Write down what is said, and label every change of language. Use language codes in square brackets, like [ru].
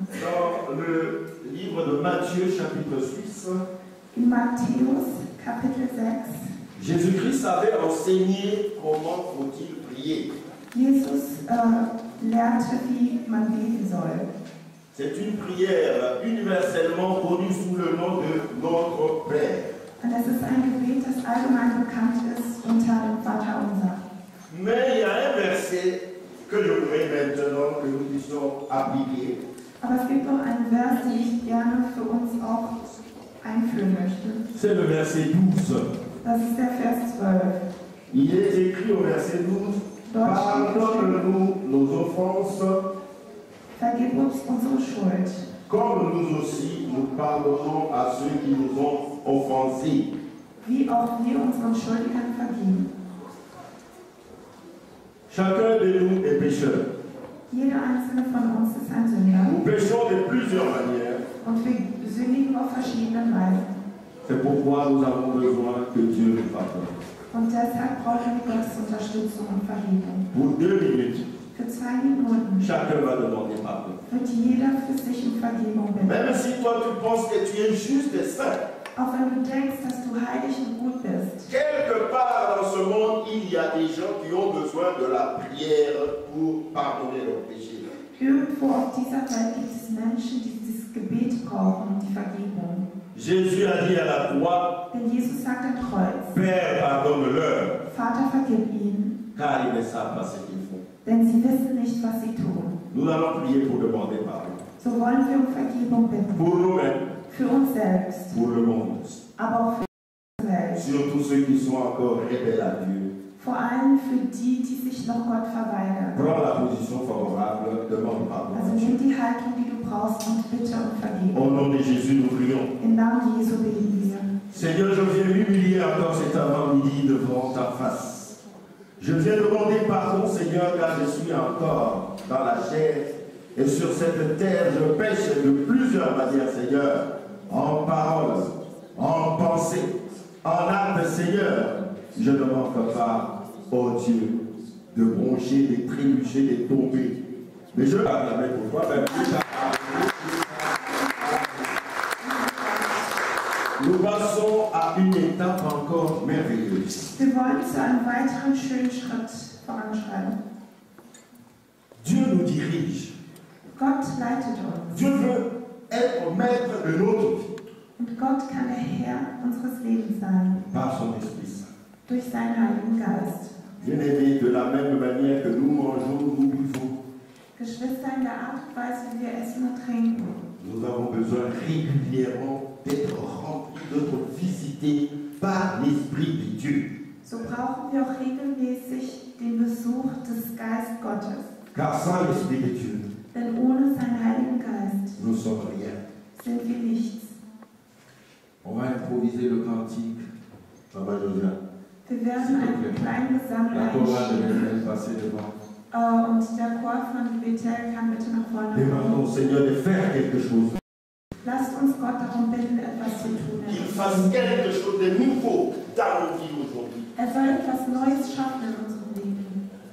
[fr] Dans le livre de Matthieu, chapitre 6. [de] In Matthäus, Kapitel 6. [fr] Jésus-Christ avait enseigné comment faut-il prier. [de] Jesus lehrte, wie man beten soll. [fr] C'est une prière universellement connue sous le nom de Notre Père. [de] Und es ist ein Gebet, das allgemein bekannt ist unter dem Vater unser. [fr] Mais il y a un verset que je voudrais maintenant que nous puissions appliquer. [de] Aber es gibt auch einen Vers, den ich gerne für uns auch einführen möchte. [fr] C'est le verset 12. [de] Das ist der Vers 12. [fr] Il est écrit au verset 12. Pardonne-nous nos offenses. [de] Vergib-nous unsere Schuld. [fr] Comme nous aussi nous pardonnons à ceux qui nous ont offensés. [de] Wie auch wir unseren Schuldigen vergeben. [fr] Chacun de nous est pécheur. [de] Jeder einzelne von uns ist ein Sünder. [fr] Nous péchons de plusieurs manières. [de] Und wir sündigen auf verschiedenen Weisen. [fr] C'est pourquoi nous avons besoin que Dieu nous pardonne. [de] Und deshalb brauchen wir Gottes Unterstützung und Vergebung. [fr] Pour deux minutes. [de] Für zwei Minuten. [fr] Chacun va demander pardon. [de] Wird jeder für sich um Vergebung bitten. [fr] Même si toi tu penses que tu es juste et saint. [de] Auch wenn du denkst, dass du heilig und gut bist. [fr] Quelque part dans ce monde, il y a des gens qui ont besoin de la prière pour pardonner leurs péchés. [de] Irgendwo auf dieser Welt gibt es Menschen, die dieses Gebet brauchen, die Vergebung. [fr] Jésus a dit à la croix, [de] denn Jesus sagt am Kreuz, [fr] Père, pardonne-leur, [de] Vater, vergib ihnen, [fr] car ils ne savent pas ce qu'ils font. [de] denn sie wissen nicht, was sie tun. [fr] Nous allons prier pour demander pardon. [de] So wollen wir um Vergebung bitten. [fr] Pour nous-mêmes. [de] Für uns selbst. [fr] Pour le monde. [de] Aber auch für die Welt. [fr] Surtout ceux qui sont encore rebelles à Dieu. [de] Vor allem für die, die sich noch Gott verweigern. [fr] Prends la position favorable, demande pardon. [de] Also nimm die Haltung, die du brauchst, und bitte um Vergebung. [fr] Au nom de Jésus, nous prions. [de] Im Namen [fr] de Jésus [de] beten wir. [fr] Seigneur, je viens m'humilier encore cet avant-midi devant ta face. Je viens demander pardon, Seigneur, car je suis encore dans la chair et sur cette terre, je pêche de plusieurs manières, Seigneur, en parole, en pensée, en acte, Seigneur. Je ne manque pas, oh Dieu, de broncher, de trébucher, de tomber. Mais je garde la main pour toi, même plus tard. Nous passons à une étape encore merveilleuse. [de] Wir wollen zu einem weiteren schönen Schritt voranschreiten. [fr] Dieu nous dirige. [de] Gott leitet uns. [fr] Dieu veut être maître de notre vie. [de] Und Gott kann der Herr unseres Lebens sein. [fr] Par son Esprit Saint. [de] Durch seinen Heiligen Geist. [fr] Bien-aimés, de la même manière que nous mangeons, nous buvons. [de] Geschwister, in der Art und Weise, wie wir essen und trinken. [fr] Nous avons besoin régulièrement d'être remplis, d'être visités par l'Esprit de Dieu. [de] So brauchen wir auch regelmäßig den Besuch des Geistes Gottes. [fr] Car sans l'Esprit de Dieu, [de] denn ohne seinen Heiligen Geist, [fr] nous sommes rien. [de] Sind wir nichts. [fr] On va improviser le cantique. Papa Josia. [de] Wir werden einen kleinen Gesang leisten. Und der Chor von Bethel kann bitte nach vorne kommen. [fr] Demandons au Seigneur de faire quelque chose. [de] Lasst uns Gott darum bitten, etwas zu tun. [fr] Qu'il fasse quelque chose de nouveau dans nos vies aujourd'hui. [de] Er soll etwas Neues schaffen in unserem Leben.